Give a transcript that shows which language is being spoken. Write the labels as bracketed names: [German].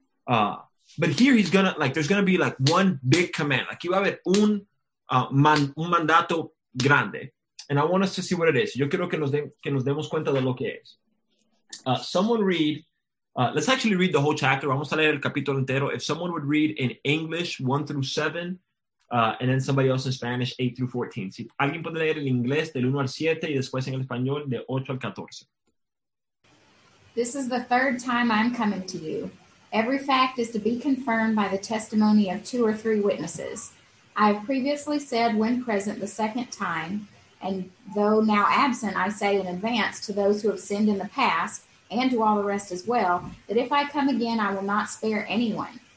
[English] But here he's going to, like, there's going to be, like, one big command. [Spanish] Aquí va a haber un mandato grande. [English] And I want us to see what it is. [Spanish] Yo quiero que nos demos cuenta de lo que es. [English] Let's actually read the whole chapter. [Spanish] Vamos a leer el capítulo entero. [English] If someone would read in English, 1 through 7, and then somebody else in Spanish, 8 through 14. [Spanish] Si alguien puede leer en inglés, del 1 al 7, y después en el español, de 8 al 14. [English] This is the third time I'm coming to you. Every fact is to be confirmed by the testimony of two or three witnesses. I have previously said when present the second time, and though now absent, I say in advance to those who have sinned in the past and to all the rest as well, that if I come again, I will not spare anyone.